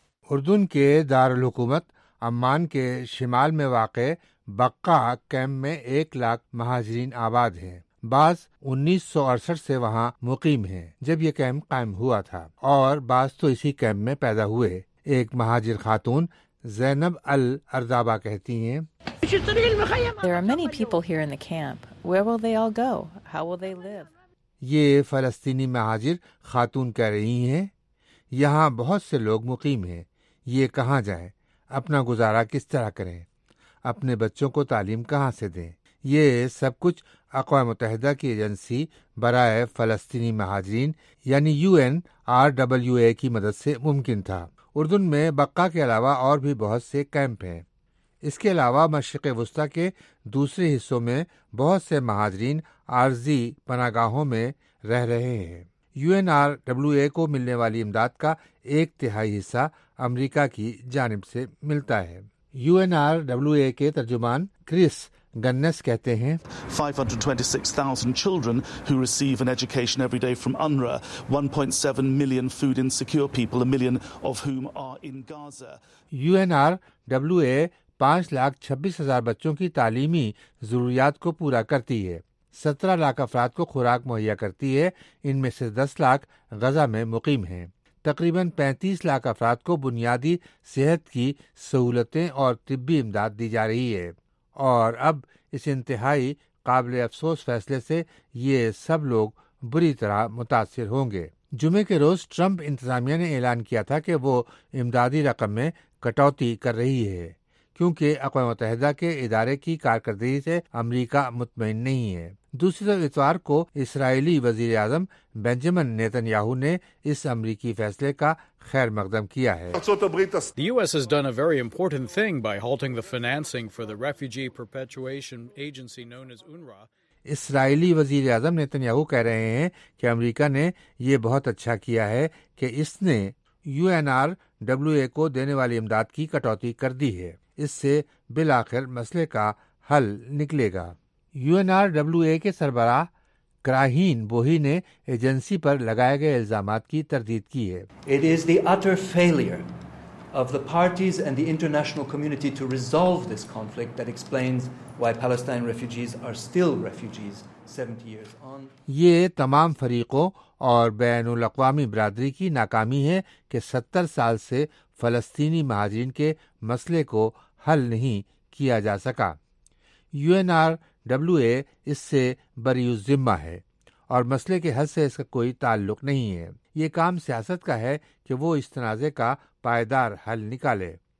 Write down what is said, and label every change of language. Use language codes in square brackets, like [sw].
[ur] اردن کے دارالحکومت عمان کے شمال میں واقع بقا کیمپ میں 1,00,000 مہاجرین آباد ہیں۔ بعض 1968 سے وہاں مقیم ہیں جب یہ کیمپ قائم ہوا تھا، اور بعض تو اسی کیمپ میں پیدا ہوئے۔ ایک مہاجر خاتون زینب الارضابہ کہتی ہیں، [en] There are many people here in the camp. Where will they all go? How will they live? [ur] یہ فلسطینی مہاجر خاتون کہہ رہی ہیں، یہاں بہت سے لوگ مقیم ہیں، یہ کہاں جائیں، اپنا گزارا کس طرح کریں، اپنے بچوں کو تعلیم کہاں سے دیں۔ یہ سب کچھ اقوام متحدہ کی ایجنسی برائے فلسطینی مہاجرین یعنی UNRWA کی مدد سے ممکن تھا۔ اردن میں بقا کے علاوہ اور بھی بہت سے کیمپ ہیں۔ اس کے علاوہ مشرق وسطی کے دوسرے حصوں میں بہت سے مہاجرین عارضی پناہ گاہوں میں رہ رہے ہیں۔ You N R W A کو ملنے والی امداد کا ایک تہائی حصہ امریکہ کی جانب سے ملتا ہے۔ You N R W A کے ترجمان کرس گنس کہتے ہیں [en] 526,000 children who receive an education every day from UNRWA, 1.7 million food insecure people, a million of whom are in Gaza. [ur] You N R W A 5,26,000 بچوں کی تعلیمی ضروریات کو پورا کرتی ہے، 17,00,000 افراد کو خوراک مہیا کرتی ہے، ان میں سے 10,00,000 غزہ میں مقیم ہیں، تقریباً 35,00,000 افراد کو بنیادی صحت کی سہولتیں اور طبی امداد دی جا رہی ہے، اور اب اس انتہائی قابل افسوس فیصلے سے یہ سب لوگ بری طرح متاثر ہوں گے۔ جمعے کے روز ٹرمپ انتظامیہ نے اعلان کیا تھا کہ وہ امدادی رقم میں کٹوتی کر رہی ہے کیونکہ اقوام متحدہ کے ادارے کی کارکردگی سے امریکہ مطمئن نہیں ہے۔ دوسری طرف اتوار کو اسرائیلی وزیر اعظم بنجمن نیتن یاہو نے اس امریکی فیصلے کا خیر مقدم کیا ہے۔ [en] The US has done a very important thing by halting the financing for the refugee perpetuation agency known as UNRWA. [ur] اسرائیلی وزیر اعظم نیتن یاہو کہہ رہے ہیں کہ امریکہ نے یہ بہت اچھا کیا ہے کہ اس نے you N R W A کو دینے والی امداد کی کٹوتی کر دی ہے، اس سے بالآخر مسئلے کا حل نکلے گا۔ You N R W A کے سربراہ کراہین بوہی نے ایجنسی پر لگائے گئے الزامات کی تردید کی ہے۔ [en] It is the utter failure of the parties and the international community to resolve this conflict that explains why Palestine refugees are still refugees 70 years on. [ur] یہ تمام فریقوں اور بین الاقوامی برادری کی ناکامی ہے کہ 70 سال سے فلسطینی مہاجرین کے مسئلے کو حل نہیں کیا جا سکا۔ You N R W A اس سے بری ذمہ ہے اور مسئلے کے حل سے اس کا کوئی تعلق نہیں ہے، یہ کام سیاست کا ہے کہ وہ اس تنازع کا پائیدار حل نکالے۔